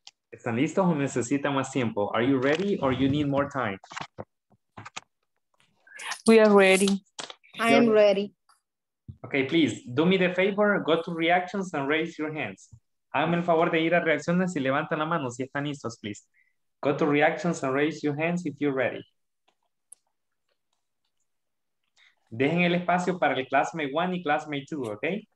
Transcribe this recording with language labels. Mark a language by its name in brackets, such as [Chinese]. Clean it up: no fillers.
[Spanish] ¿Están listos o necesitan más tiempo? [English] Are you ready or you need more time? We are ready. I am ready. Okay, please, do me the favor, go to reactions and raise your hands. [Spanish] Háganme el favor de ir a reacciones y levanten la mano si están listos, please. [English] Go to reactions and raise your hands if you're ready. [Spanish] Dejen el espacio para el classmate 1 y classmate 2, ¿ok?